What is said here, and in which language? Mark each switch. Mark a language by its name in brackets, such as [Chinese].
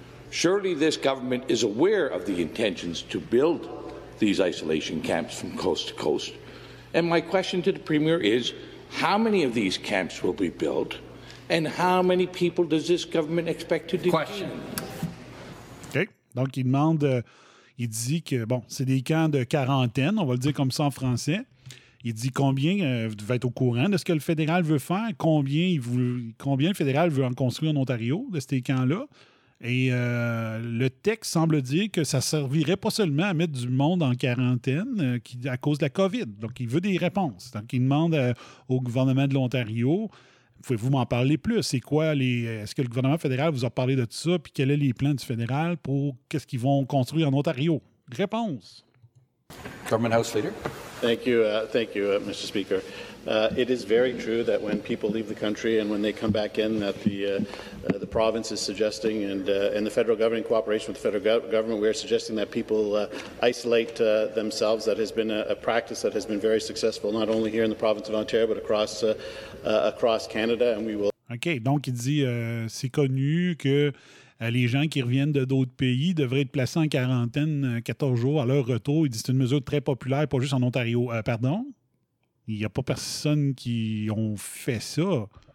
[English] Surely this government is aware of the intentions to build these isolation camps from coast to coast. And my question to the Premier is, how many of these camps will be built, and how many people does this government expect to detain? Question. OK. [French] Donc, il demande, il dit que, bon, c'est des camps de quarantaine, on va le dire comme ça en français. Il dit combien, vous devez être au courant de ce que le fédéral veut faire, combien le fédéral veut en construire en Ontario, de ces camps-là. Et le texte semble dire que ça servirait pas seulement à mettre du monde en quarantaine à cause de la COVID. Donc, il veut des réponses. Donc, il demande au gouvernement de l'Ontario, pouvez-vous m'en parler plus? C'est quoi est-ce que le gouvernement fédéral vous a parlé de tout ça? Puis, quels sont les plans du fédéral pour qu'est-ce qu'ils vont construire en Ontario? Réponse. [English] Government House Leader. Thank you, Mr. Speaker. It is very true that when people leave the country and when they come back in, that the province is suggesting, and the federal government, in cooperation with the federal government, we are suggesting that people isolate themselves. That has been a practice that has been very successful, not only here in the province of Ontario, but across Canada, and we will... [French] OK, donc il dit, c'est connu que les gens qui reviennent de d'autres pays devraient être placés en quarantaine 14 jours à leur retour. Il dit, c'est une mesure très populaire, pas juste en Ontario. Pardon? Il n'y a pas personne qui a fait ça.